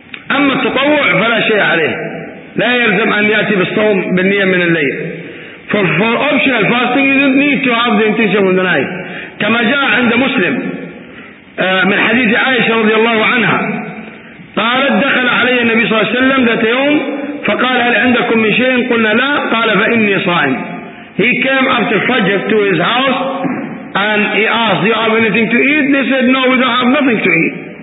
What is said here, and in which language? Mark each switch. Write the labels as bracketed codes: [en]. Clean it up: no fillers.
[ar] أما التطوع فلا شيء عليه، لا يلزم أن يأتي بالصوم بالنية من الليل. [en] For optional fasting, you don't need to have the intention of the night. [ar] كما جاء عند مسلم من حديث عائشة رضي الله عنها قالت دخل علي النبي صلى الله عليه وسلم ذات يوم فقال هل عندكم من شيء؟ قلنا لا، قال فإني صائم. [en] He came after Fajr to his house and he asked, do you have anything to eat? They said, no, we don't have nothing to eat.